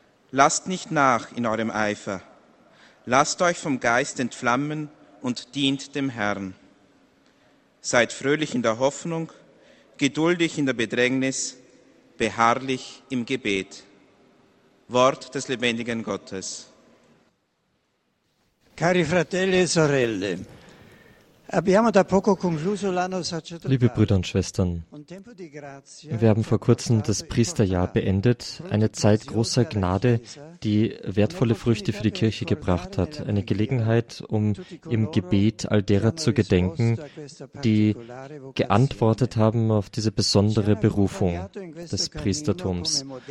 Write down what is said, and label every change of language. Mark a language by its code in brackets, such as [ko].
[de] Lasst nicht nach in eurem Eifer. Lasst euch vom Geist entflammen und dient dem Herrn. Seid fröhlich in der Hoffnung, geduldig in der Bedrängnis, beharrlich im Gebet. Wort des lebendigen Gottes. [it] Cari fratelli e sorelle, abbiamo da poco concluso l'anno sacerdotale. [de] Liebe Brüder und Schwestern, wir haben vor kurzem das Priesterjahr beendet, eine Zeit großer Gnade, die wertvolle Früchte für die Kirche gebracht hat, eine Gelegenheit, um im Gebet all derer zu gedenken, die geantwortet haben auf diese besondere Berufung des Priestertums.